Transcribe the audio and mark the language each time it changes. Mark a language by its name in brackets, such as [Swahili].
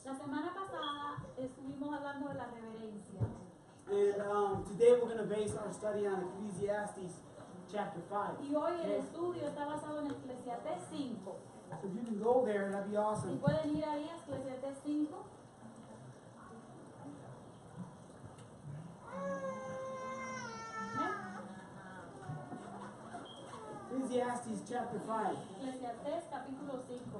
[Spanish] La semana pasada estuvimos hablando de la reverencia. [English] And today we're going to base our study on Ecclesiastes chapter 5. [Spanish] Y hoy el estudio está basado en Ecclesiastes 5. [English] So if you can go there, that'd be awesome. [Spanish] Si pueden ir ahí a Ecclesiastes 5. [English] Ecclesiastes chapter 5. [Spanish] Ecclesiastes capítulo 5.